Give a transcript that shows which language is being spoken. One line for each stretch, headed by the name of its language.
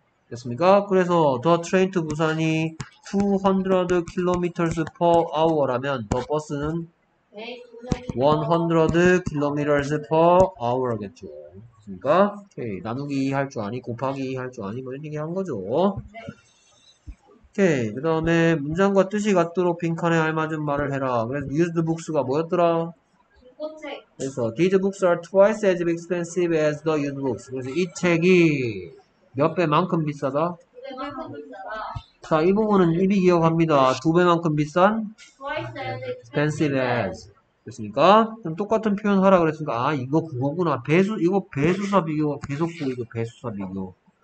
English: 됐습니까? 그래서 the train to Busan이 200km per hour라면 the 버스는 100km per hour겠죠.
Korean: 됐습니까? 오케이. 나누기 할 줄 아니, 곱하기 할 줄 아니, 뭐 이런 얘기 한 거죠. 오케이. 그 다음에 문장과 뜻이 같도록 빈칸에 알맞은 말을 해라. 그래서 used books가 뭐였더라? 중고책. 그래서
English: these books are twice as expensive as the used books.
Korean: 그래서 이 책이 몇 배만큼 비싸다? 2배만큼 비싸다. 자, 이 부분은 이미 기억합니다. 두 배만큼 비싼?
English: twice as expensive as.
Korean: 됐습니까? 그럼 똑같은 표현 하라 그랬으니까, 아, 이거 그거구나. 이거 배수사 비교. 계속 보이죠. 배수사 비교.